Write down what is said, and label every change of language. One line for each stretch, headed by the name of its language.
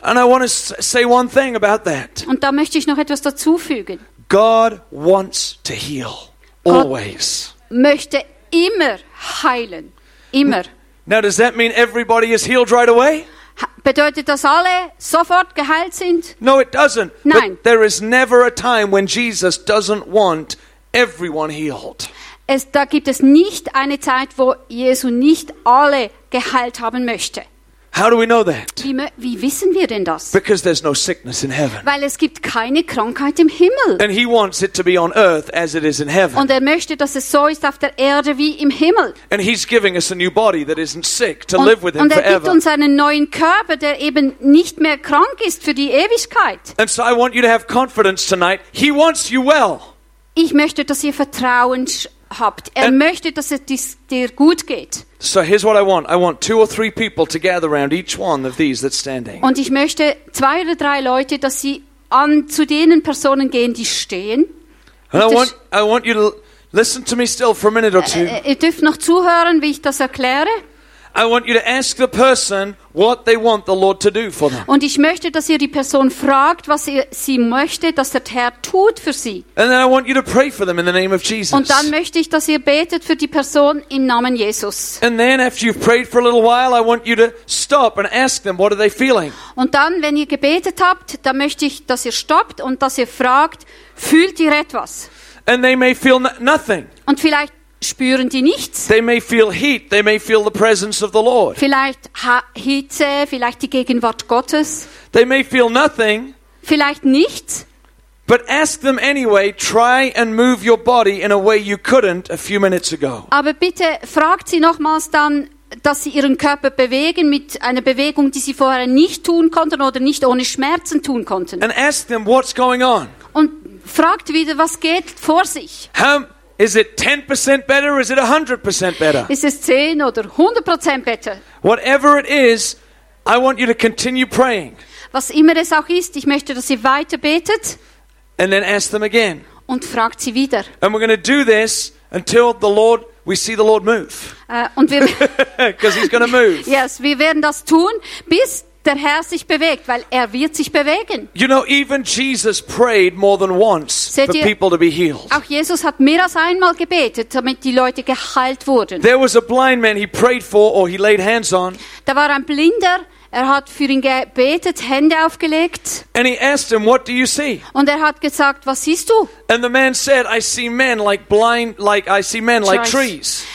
English: And I want to say one thing about that.
German: Und da möchte ich noch etwas dazufügen.
English: God wants to heal always.
German: Gott möchte immer heilen, immer.
English: Now does that mean everybody is healed right away?
German: Bedeutet das, alle sofort geheilt sind?
English: No, it doesn't.
German: Nein.
English: But there is never a time when Jesus doesn't want everyone healed.
German: Da gibt es nicht eine Zeit, wo Jesus nicht alle geheilt haben möchte.
English: How do we know that?
German: Wie wissen wir denn das?
English: Because there's no sickness in heaven.
German: Weil es gibt keine Krankheit im Himmel.
English: And he wants it to be on earth as it is in heaven.
German: Und er möchte, dass es so ist auf der Erde wie im Himmel.
English: And he's giving us a new body that isn't sick to live with him forever.
German: Und er gibt uns einen neuen Körper, der eben nicht mehr krank ist für die Ewigkeit.
English: And so I want you to have confidence tonight. He wants you well.
German: Ich möchte, dass ihr Vertrauen habt. Möchte, dass es dir gut geht.
English: So here's what I want. I want two or three people to gather around each one of these that's standing.
German: Und ich möchte zwei oder drei Leute, dass sie an zu denen Personen gehen, die stehen.
English: And I want you to listen to me still for a minute or two.
German: Ihr dürft noch zuhören, wie ich das erkläre.
English: I want you to ask the person what they want the Lord to do for them.
German: Und ich möchte, dass ihr die Person fragt, was sie möchte, dass der Herr tut für sie.
English: And then I want you to pray for them in the name of Jesus.
German: Und dann möchte ich, dass ihr betet für die Person im Namen Jesus.
English: And then after you've prayed for a little while, I want you to stop and ask them, what are they feeling?
German: Und dann, wenn ihr gebetet habt, dann möchte ich, dass ihr stoppt und dass ihr fragt, fühlt ihr etwas?
English: And they may feel nothing.
German: Und vielleicht spüren die nichts.
English: They may feel heat. They may feel the presence of the Lord.
German: Vielleicht Hitze, vielleicht die Gegenwart Gottes.
English: They may feel nothing.
German: Vielleicht nichts.
English: But ask them anyway, try and move your body in a way you couldn't a few minutes ago.
German: Aber bitte fragt sie nochmals dann, dass sie ihren Körper bewegen mit einer Bewegung, die sie vorher nicht tun konnten oder nicht ohne Schmerzen tun konnten.
English: And ask them what's going on.
German: Und fragt wieder, was geht vor sich.
English: Is it 10% better or is it 100% better?
German: Ist es 10 oder 100% better?
English: Whatever it is, I want you to continue praying.
German: Was immer es auch ist, ich möchte, dass ihr weiter betet.
English: And then ask them again.
German: Und fragt sie wieder.
English: And we're going to do this until we see the Lord move. Because he's going to move.
German: Yes, wir werden das tun, bis der Herr sich bewegt, weil er wird sich bewegen.
English: You know, even Jesus prayed more than once
German: Seht ihr,
English: for people to be healed.
German: Auch Jesus hat mehr als einmal gebetet, damit die Leute geheilt wurden.
English: There was a blind man he prayed for or he laid hands on.
German: Da war ein Blinder, er hat für ihn gebetet, Hände aufgelegt.
English: And he asked him, what do you see?
German: Und er hat gesagt, was siehst du?
English: And the man said, I see men like blind, like I see men like trees.